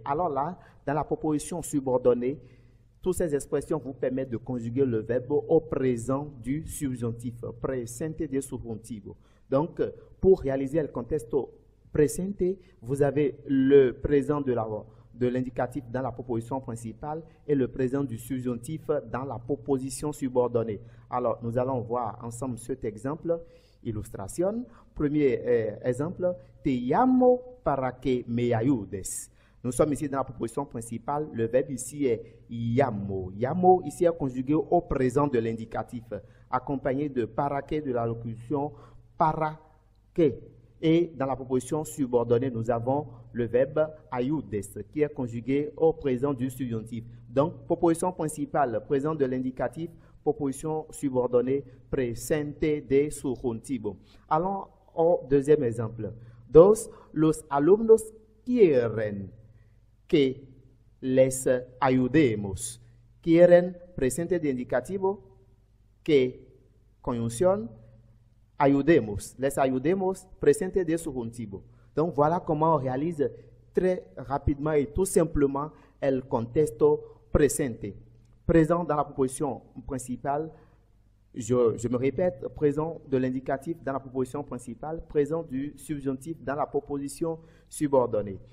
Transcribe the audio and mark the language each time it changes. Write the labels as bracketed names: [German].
[French] Alors là, dans la proposition subordonnée, toutes ces expressions vous permettent de conjuguer le verbe au présent du subjonctif, [Spanish] presente de subjonctivo. [French] Donc, pour réaliser le contexto presente, vous avez le présent de l'indicatif dans la proposition principale et le présent du subjonctif dans la proposition subordonnée. Alors, nous allons voir ensemble cet exemple. Illustration. Premier exemple, [Spanish] te llamo para que me ayudes. [French] Nous sommes ici dans la proposition principale. Le verbe ici est llamo. Llamo ici est conjugué au présent de l'indicatif, accompagné de para que de la locution para que. Et dans la proposition subordonnée, nous avons le verbe ayudes qui est conjugué au présent du subjonctif. Donc, proposition principale, présent de l'indicatif. Proposition subordonnée, [Spanish] presente de subjonctivo. [French] Allons au deuxième exemple. [Spanish] Dos, los alumnos quieren que les ayudemos. Quieren, presente de indicativo, que, conjunción, ayudemos. Les ayudemos, presente de subjonctivo. [French] Donc, voilà comment on réalise très rapidement et tout simplement el contexto presente. Présent dans la proposition principale, je me répète, présent de l'indicatif dans la proposition principale, présent du subjonctif dans la proposition subordonnée.